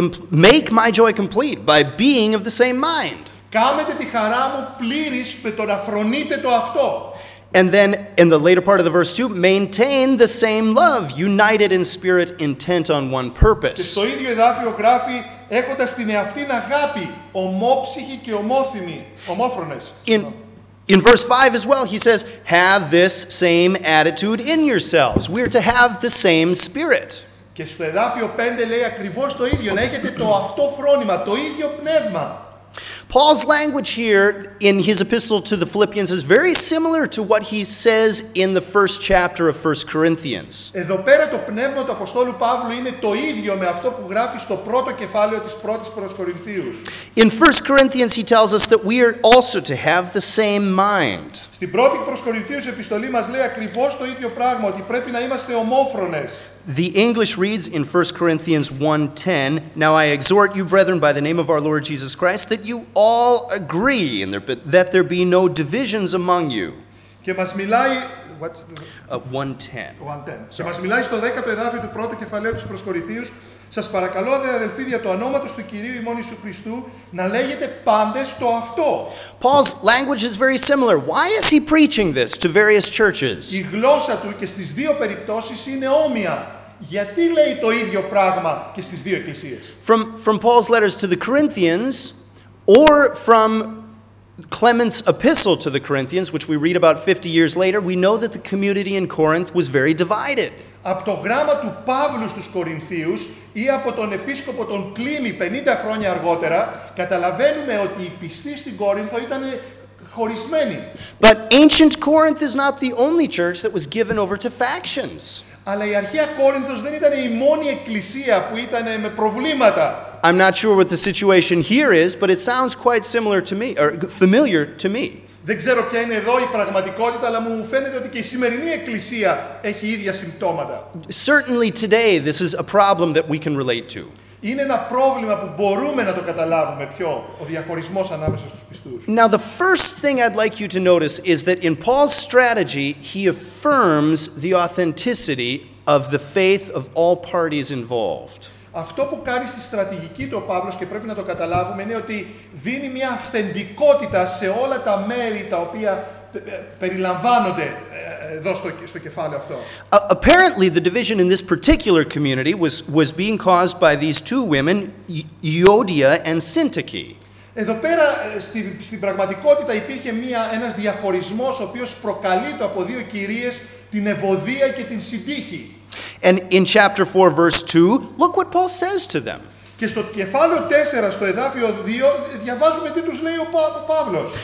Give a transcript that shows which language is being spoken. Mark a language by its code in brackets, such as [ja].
[en] Make my joy complete by being of the same mind. [el] Κάμετε τη χαρά μου πλήρης με το να φρονείτε το αυτό. [en] And then in the later part of the verse 2, maintain the same love, united in spirit, intent on one purpose. [el] Και στο ίδιο εδάφιο γράφει: Έχοντας την εαυτήν αγάπη, ομόψυχη και ομόθυμη, ομόφρονες. [en] In verse 5 as well, he says, have this same attitude in yourselves. We're to have the same spirit. [el] Και στο εδάφιο 5 λέει ακριβώς το ίδιο, να έχετε το αυτό φρόνημα, το ίδιο πνεύμα. [en] Paul's language here in his epistle to the Philippians is very similar to what he says in the first chapter of 1 Corinthians. [el] Εδώ πέρα το πνεύμα του Αποστόλου Παύλου είναι το ίδιο με αυτό που γράφει στο πρώτο κεφάλαιο της πρώτης προς Κορινθίους. [en] In 1 Corinthians he tells us that we are also to have the same mind. [el] Στην πρώτη προς Κορινθίους επιστολή μας λέει ακριβώς το ίδιο πράγμα, ότι πρέπει να είμαστε ομόφρονες. [en] The English reads in 1 Corinthians 1:10, Now I exhort you, brethren, by the name of our Lord Jesus Christ, that you all agree, and that there be no divisions among you. [el] Και μας μιλάει. 1:10. Και μας μιλάει στο 10ο εδάφιο του πρώτου κεφαλαίου του προς Κορινθίους. Σας παρακαλώ, αδελφοί, δια το ονόματος του Κυρίου ημών Ιησού Χριστού, να λέγετε πάντες στο αυτό. [en] Paul's language is very similar. Why is he preaching this to various churches? [el] Η γλώσσα του και στις δύο περιπτώσεις είναι όμοια. Γιατί λέει το ίδιο πράγμα και στις δύο εκκλησίες? [en] From Paul's letters to the Corinthians, or from Clement's epistle to the Corinthians, which we read about 50 years later, we know that the community in Corinth was very divided. [el] Από το γράμμα του Παύλου στους Κορινθίους ή από τον επίσκοπο τον Κλήμη 50 χρόνια αργότερα, καταλαβαίνουμε ότι οι πιστοί στην Κόρινθο ήταν χωρισμένοι. [en] But ancient Corinth is not the only church that was given over to factions. [el] Αλλά η αρχαία Κόρινθος δεν ήταν η μόνη εκκλησία που ήταν με προβλήματα. [en] I'm not sure what the situation here is, but it sounds quite similar to me, or familiar to me. [el] Δεν ξέρω ποια είναι εδώ η πραγματικότητα, αλλά μου φαίνεται ότι και η σημερινή εκκλησία έχει ίδια συμπτώματα. [en] Certainly today this is a problem that we can relate to. [el] Είναι ένα πρόβλημα που μπορούμε να το καταλάβουμε πιο, ο διαχωρισμός ανάμεσα στους πιστούς. [en] Now the first thing I'd like you to notice is that in Paul's strategy he affirms the authenticity of the faith of all parties involved. [el] Αυτό που κάνει στη στρατηγική του ο Παύλος και πρέπει να το καταλάβουμε είναι ότι δίνει μια αυθεντικότητα σε όλα τα μέρη τα οποία περιλαμβάνονται εδώ στο κεφάλαιο αυτό. [en] Apparently the division in this particular community was being caused by these two women, Euodia and Syntyche. [el] Εδώ πέρα στην πραγματικότητα υπήρχε ένας διαχωρισμός ο οποίος προκαλείται από δύο κυρίες, την Ευωδία και την Συντύχη. [en] And in chapter 4, verse 2, look what Paul says to them. [el] Και στο κεφάλαιο 4, στο εδάφιο 2, διαβάζουμε τι τους λέει ο Παύλος.